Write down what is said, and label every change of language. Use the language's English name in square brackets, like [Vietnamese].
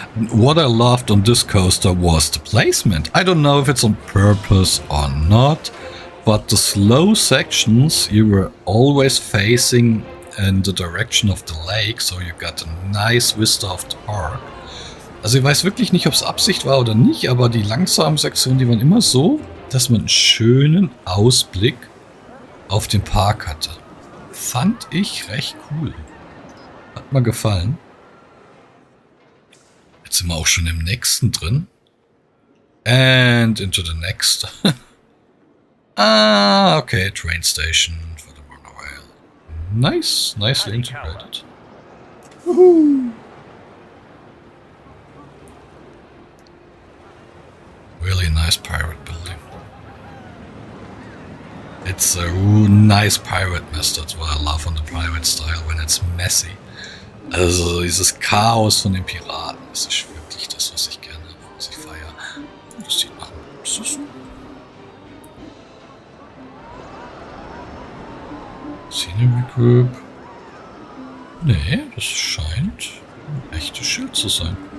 [English] What I loved on this coaster was the placement. I don't know if it's on purpose or not, but the slow sections, you were always facing in the direction of the lake, so you got a nice vista of the park. [German] Also ich weiß wirklich nicht, ob es Absicht war oder nicht, aber die langsamen Sektionen, die waren immer so, dass man einen schönen Ausblick auf den Park hatte. Fand ich recht cool. Hat mir gefallen. Jetzt sind wir auch schon im nächsten drin. [English] And into the next. Ah, okay, Train Station for the Monorail. Nice, nicely integrated. Woohoo! Really nice pirate building. It's a nice pirate mess. That's what I love on the pirate style, when it's messy. [German] Also dieses Chaos von den Piraten, das ist wirklich das, was ich gerne, was ich feiere. Das sieht nach einem Luxus. Scenery Group. Nee, das scheint ein echtes Schild zu sein.